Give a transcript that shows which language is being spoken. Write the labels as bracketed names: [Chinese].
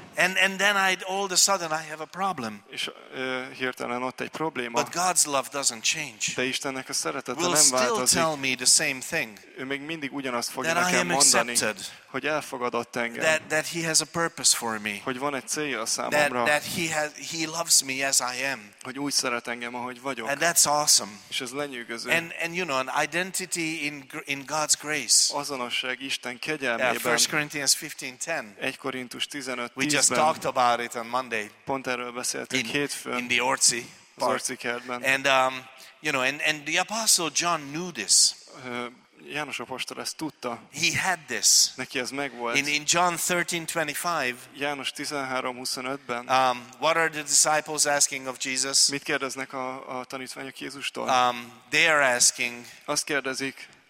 [English] And then I all of a sudden I have a problem. [Hungarian] És hirtelen ott egy probléma. [English] But God's love doesn't change. [Hungarian] De Istennek a szeretete [English] will [Hungarian] nem változik. [English] Will still tell me the same thing. [Hungarian] Ő még mindig ugyanazt fogja nekem mondani. [English] Accepted. [Hungarian] Hogy elfogadott engem. [English] That he has a purpose for me. [Hungarian] Hogy van egy célja a számomra. [English] That he loves me as I am. [Hungarian] Hogy úgy szeret engem, ahogy vagyok. [English] And that's awesome. [Hungarian] És ez lenyűgöző. [English] And you know, an identity in God's grace. [Hungarian] Azonosság Isten kegyelmében. [English] 1 Corinthians 15:10. [Hungarian] 1 Korintus 15:10. [English] We just talked about it on Monday. [Hungarian] Pont erről beszéltünk hétfőn. [English] In the Orci. [Hungarian] Az Orci kertben. [English] And you know, and the apostle John knew this. [Hungarian] János apostol ezt tudta. [English] He had this. [Hungarian] Neki ez megvolt. [English] In John 13:25. [Hungarian] János 13:25-ben. [English] What are the disciples asking of Jesus? [Hungarian] Mit kérdeznek a tanítványok Jézustól? [English] They are asking. [Hungarian] Azt kérdezik.